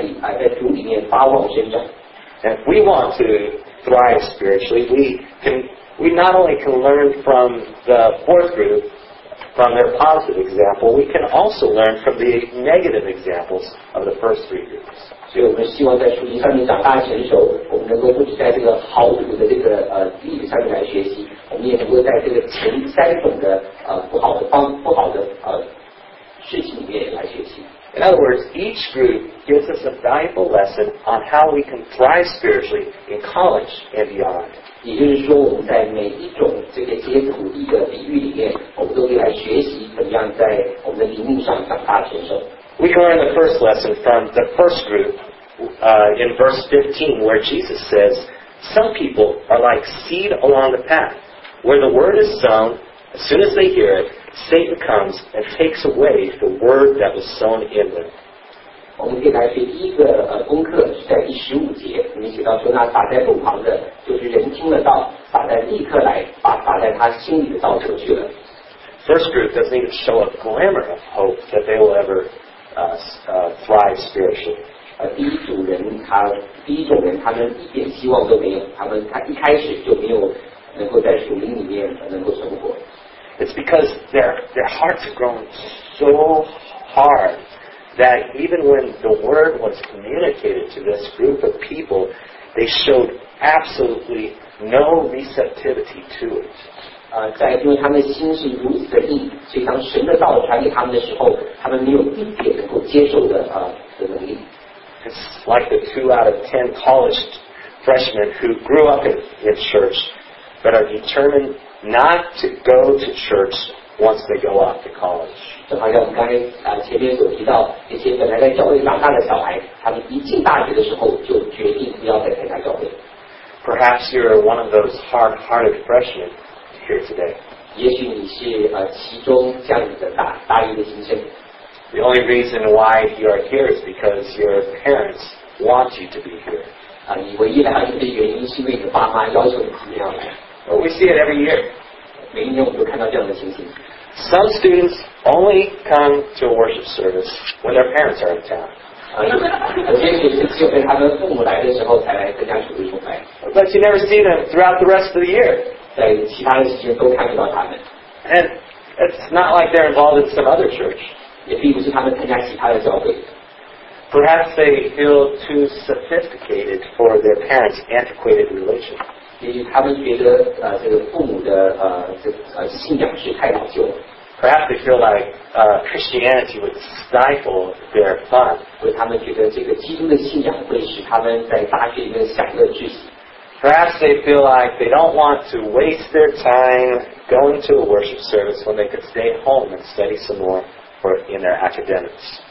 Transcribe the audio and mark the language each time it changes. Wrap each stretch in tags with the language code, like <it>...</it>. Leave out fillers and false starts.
<zh>第四种，他们不只是在属灵上面存活下来，而且在主里面发旺生长。</zh> <en>And if we want to thrive spiritually, we not only can learn from the fourth group, from their positive example, we can also learn from the negative examples of the first three groups.</en> <zh>所以我们希望在属灵上面长大成熟，我们能够不只在这个好的这个例子上面来学习，我们也能够在这个前三种的不好的事情里面来学习。</zh> <en>In other words, each group gives us a valuable lesson on how we can thrive spiritually in college and beyond.</en> <zh>也就是说，我们在每一种这个阶土地的比喻里面，我们都可以来学习怎么样在我们的灵命上长大成熟。</zh> <en>We can learn the first lesson from the first group in verse 15 where Jesus says, some people are like seed along the path. Where the word is sown, as soon as they hear it, Satan comes and takes away the word that was sown in them.</en> <zh>我们先来学第一个功课是在第十五节，你写到说那撒在路旁的，就是人听了道，撒在立刻来，把撒在他心里的道出去了。</zh> <en>First group doesn't even show a glimmer of hope that they will ever thrive spiritually.</en> <zh>第一组人他第一种人他们一点希望都没有，他一开始就没有能够在属灵里面能够生活。</zh> <en>It's because their hearts have grown so hard. That even when the word was communicated to this group of people, they showed absolutely no receptivity to it.</en> <zh>在因为他们心是如此的硬，所以当神的道传给他们的时候，他们没有一点能够接受的的能力。</zh> <en>It's like the 2 out of 10 college freshmen who grew up in church, but are determined not to go to church. Once they go off to college.</en> <zh>就好像我们刚才前面所提到，那些本来在教会长大的小孩，他们一进大学的时候就决定不要再参加教会。</zh> <en>Perhaps you're one of those hard-hearted freshmen here today.</en> <zh>也许你是其中这样的大一的新生。</zh> <en>The only reason why you are here is because your parents want you to be here.</en> <zh>你唯一来到这里的原因是因为你的爸妈要求你这样来。</zh> <en>We see it every year.</en> <zh>每一年我们都看到这样的情形。</zh> <en>Some students only come to a worship service when their parents are in town.</en> <zh>有些学生只有跟他们父母来的时候才来参加主日崇拜。</zh> <en>But you never see them throughout the rest of the year.</en> <zh>在其他的时间都看不到他们。</zh> <en>And it's not like they're involved in some other church.</en> <zh>也并不是他们参加其他的教会。</zh> <en>Perhaps they feel too sophisticated for their parents' antiquated religion.</en> <zh>他们觉得这个父母的信仰是太老旧了。</zh> <en>Perhaps they feel like Christianity would stifle their fun.</en> <zh>或者他们觉得这个基督的信仰会使他们在大学里面享乐至死。</zh> <en>Perhaps they feel like they don't want to waste their time going to a worship service when they could stay home and study some more for in their academics.</en>